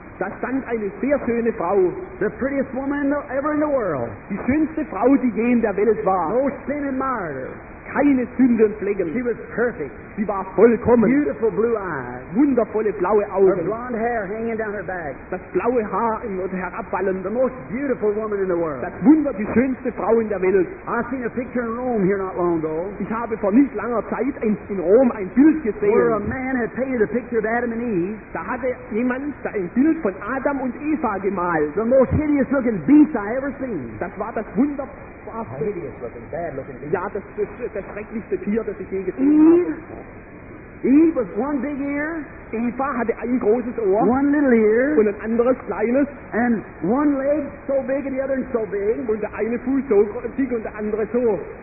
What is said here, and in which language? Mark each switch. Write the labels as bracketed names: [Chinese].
[German] Da stand eine sehr schöne Frau. [English] The prettiest woman ever in the world. [German] Die schönste Frau, die je in der Welt war. [English] No sin and martyr. [German] Keine Sündenflecken. [English] She was perfect. [German] Sie war vollkommen. [English] Beautiful blue eyes. [German] Wundervolle blaue Augen. [English] Her blonde hair hanging down her back. [German] Das blaue Haar in und herabfallen. [English] The most beautiful woman in the world. [German] Das Wunder, die schönste Frau in der Welt. [English] I seen a picture in Rome here not long ago. [German] Ich habe vor nicht langer Zeit in Rom ein Bild gesehen. [English] Where a man had painted a picture of Adam and Eve. [German] Da hatte jemand da ein Bild von Adam und Eva gemalt. [English] The most hideous looking beast I ever seen. [German] Das war das Wunder. [English] Hideous looking, bad looking beast. [German] Ja, das schrecklichste Tier, das ich je gesehen habe. [English] Eve was one big ear. [German] Eva hatte ein großes Ohr. [English] One little ear. [German] Und ein anderes kleines. [English] And one leg so big and the other so big. [German] Und der eine Fuß so groß und der andere so.